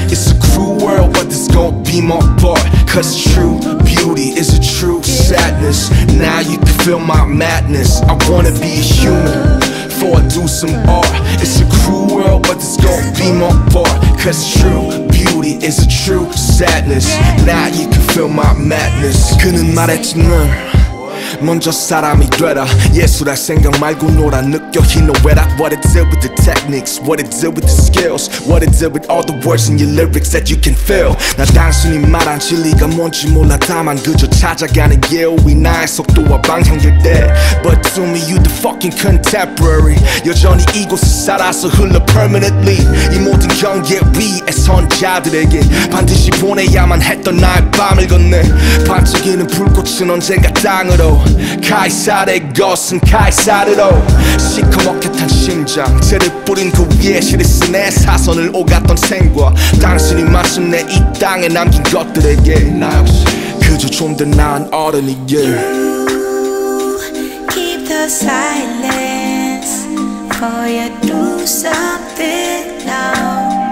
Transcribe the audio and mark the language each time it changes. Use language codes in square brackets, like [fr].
[en] It's a cruel world, but this gon' be my part. Cause true beauty is a true sadness. Now you can feel my madness. I wanna be a human, for I do some art. It's a cruel world, but this gon' be my part. Cause true beauty is a true sadness. Now you can feel my madness. [ko] 그는 말했지 늘 먼저 사람이 되라. 예술할 생각 말고 놀아. 느껴 [en] he know what I what it do with the techniques, what it do with the skills, what it do with all the words in your lyrics that you can feel. [ko] 나 단순히 말한 진리가 뭔지 몰라. 다만 그저 찾아가는 예우이 나의 속도와 방향일 때. [en] But to me you the fucking contemporary. [ko] 여전히 이곳에 살아서 흘러 [en] permanently. [ko] 이 모든 경계 위에 선 자들에게 반드시 보내야만 했던 나의 밤을 건네. 반짝이는 불꽃은 언젠가 땅으로 카이사르의 것은 카이사르로. 시커멓게 탄 심장 재를 뿌린 그 위에 시리스 내 사선을 오갔던 생과 당신이 마침내 이 땅에 남긴 것들에게 나 역시 그저 좀 더 나은 어른이게. [en] You keep the silence for you do something now.